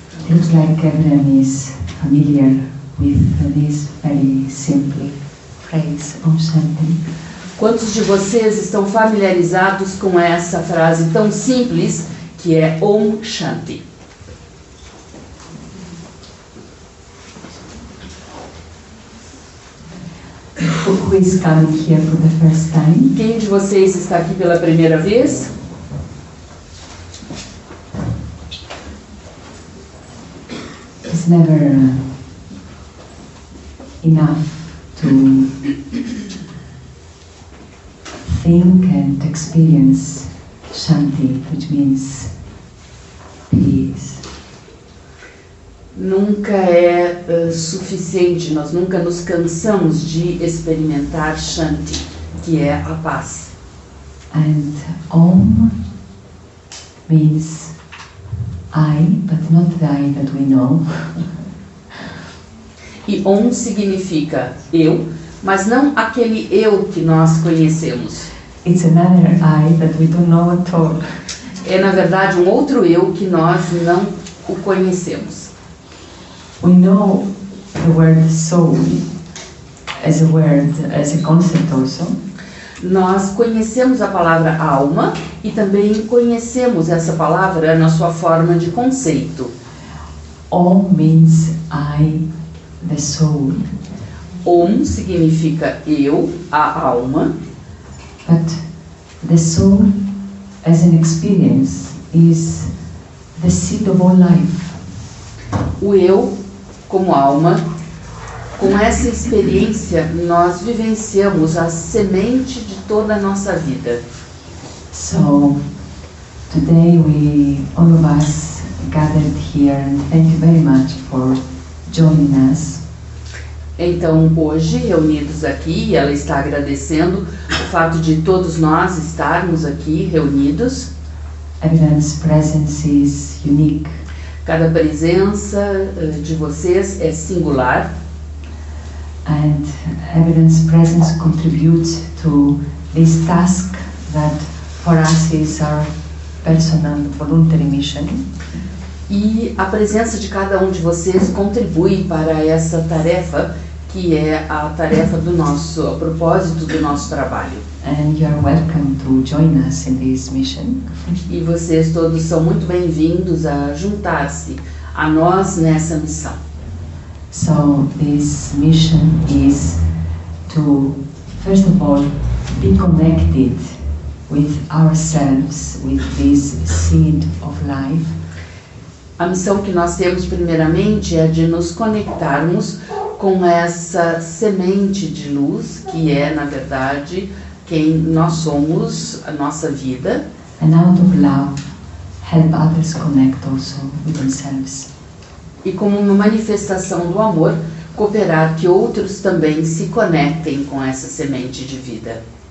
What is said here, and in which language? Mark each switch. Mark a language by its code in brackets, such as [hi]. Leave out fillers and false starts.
[en] Looks like everyone is familiar with this very simple phrase, Om Shanti. [pt] Quantos de vocês estão familiarizados com essa frase tão simples que é Om Shanti? [en] Who is coming here for the first time? [pt] Quem de vocês está aqui pela primeira vez? [en] It's never enough to think and experience Shanti, which means peace. [pt] Nunca é suficiente, nós nunca nos cansamos de experimentar Shanti, que é a paz. [en] And Om means I, but not the I that we know. [pt] E Om significa eu, mas não aquele eu que nós conhecemos. [en] It's another I that we don't know at all. [pt] É, na verdade, um outro eu que nós não o conhecemos. [en] We know the word soul as a word, as a concept also. [pt] Nós conhecemos a palavra alma e também conhecemos essa palavra na sua forma de conceito. [en] Om means I, the soul. [pt] Om significa eu, a alma. [en] But the soul as an experience is the seed of all life. [pt] O eu como alma, com essa experiência, nós vivenciamos a semente de toda a nossa vida. [en] So, today we, all of us, gathered here, and thank you very much for joining us. [pt] Então, hoje, reunidos aqui, ela está agradecendo o fato de todos nós estarmos aqui reunidos. [en] Everyone's presence is unique. [pt] Cada presença de vocês é singular. [en] And everyone's presence contributes to this task that for us is our personal voluntary mission. [pt] E a presença de cada um de vocês contribui para essa tarefa, que é a tarefa do nosso, a propósito do nosso trabalho. [en] And you are welcome to join us in this mission. [pt] E vocês todos são muito bem-vindos a juntar-se a nós nessa missão. [en] So this mission is to, first of all, be connected with ourselves, with this seed of life. [pt] A missão que nós temos primeiramente é de nos conectarmos com essa semente de luz, que é, na verdade, quem nós somos, a nossa vida. [en] And out of love, help others connect also with themselves. [pt] E como uma manifestação do amor, cooperar que outros também se conectem com essa semente de vida.